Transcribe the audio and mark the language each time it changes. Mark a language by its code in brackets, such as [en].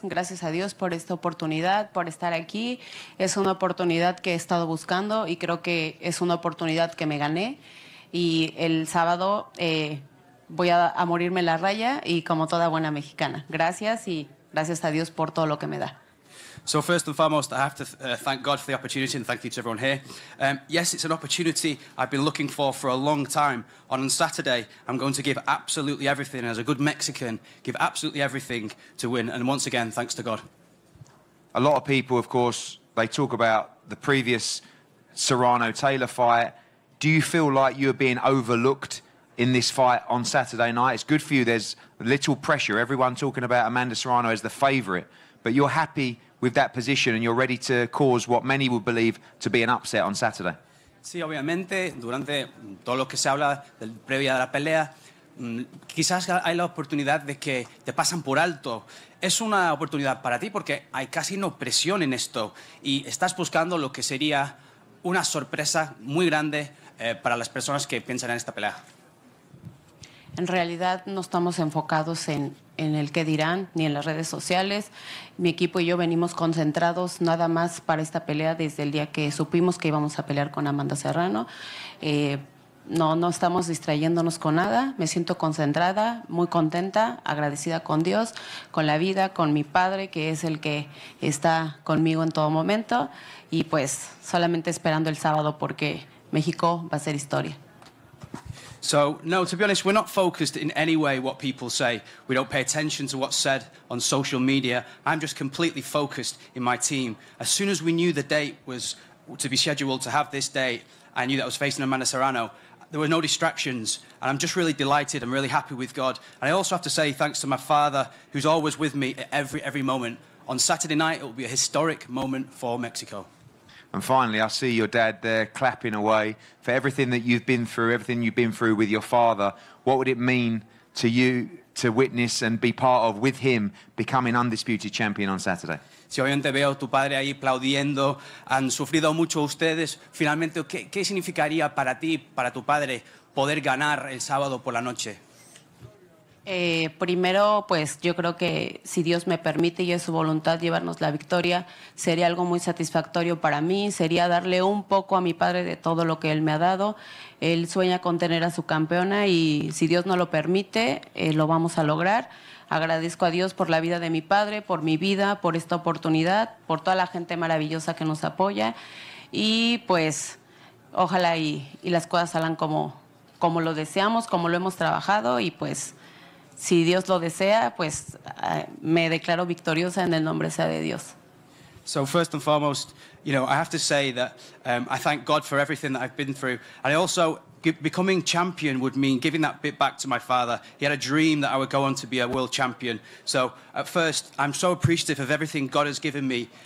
[es] Gracias a Dios por esta oportunidad, por estar aquí. Es una oportunidad que he estado buscando y creo que es una oportunidad que me gané. Y el sábado voy a morirme la raya y como toda buena mexicana. Gracias y gracias a Dios por todo lo que me da. [en] So first and foremost, I have to thank God for the opportunity and thank you to everyone here. Yes, it's an opportunity I've been looking for a long time. On Saturday, I'm going to give absolutely everything, as a good Mexican, give absolutely everything to win. And once again, thanks to God. A lot of people, of course, they talk about the previous Serrano-Taylor fight. Do you feel like you're being overlooked in this fight on Saturday night? It's good for you. There's little pressure. Everyone talking about Amanda Serrano as the favourite. But you're happy with that position and you're ready to cause what many would believe to be an upset on Saturday. [es] Sí, obviamente, durante todo lo que se habla del previa de la pelea, quizás hay la oportunidad de que te pasan por alto. Es una oportunidad para ti porque hay casi no presión en esto y estás buscando lo que sería una sorpresa muy grande para las personas que piensan en esta pelea. En realidad no estamos enfocados en el qué dirán ni en las redes sociales. Mi equipo y yo venimos concentrados nada más para esta pelea desde el día que supimos que íbamos a pelear con Amanda Serrano. No estamos distrayéndonos con nada. Me siento concentrada, muy contenta, agradecida con Dios, con la vida, con mi padre, que es el que está conmigo en todo momento. Y pues solamente esperando el sábado porque México va a ser historia. [en] So, no, to be honest, we're not focused in any way what people say. We don't pay attention to what's said on social media. I'm just completely focused in my team. As soon as we knew the date was to be scheduled to have this date, I knew that I was facing Amanda Serrano. There were no distractions, and I'm just really delighted. I'm really happy with God. And I also have to say thanks to my father, who's always with me at every moment. On Saturday night, it will be a historic moment for Mexico. And finally, I see your dad there clapping away for everything that you've been through, everything you've been through with your father. What would it mean to you to witness and be part of with him becoming undisputed champion on Saturday? [es] Si obviamente veo tu padre ahí aplaudiendo, han sufrido mucho ustedes. Finalmente, ¿qué significaría para ti, para tu padre, poder ganar el sábado por la noche? Primero, pues yo creo que si Dios me permite y es su voluntad llevarnos la victoria, sería algo muy satisfactorio para mí. Sería darle un poco a mi padre de todo lo que él me ha dado. Él sueña con tener a su campeona y si Dios no lo permite, lo vamos a lograr. Agradezco a Dios por la vida de mi padre, por mi vida, por esta oportunidad, por toda la gente maravillosa que nos apoya. Y pues ojalá y las cosas salgan como lo deseamos, como lo hemos trabajado y pues... Si Dios lo desea, pues me declaro victoriosa en el nombre sea de Dios. [en] So first and foremost, you know, I have to say that I thank God for everything that I've been through. And I also, becoming champion would mean giving that bit back to my father. He had a dream that I would go on to be a world champion. So at first, I'm so appreciative of everything God has given me.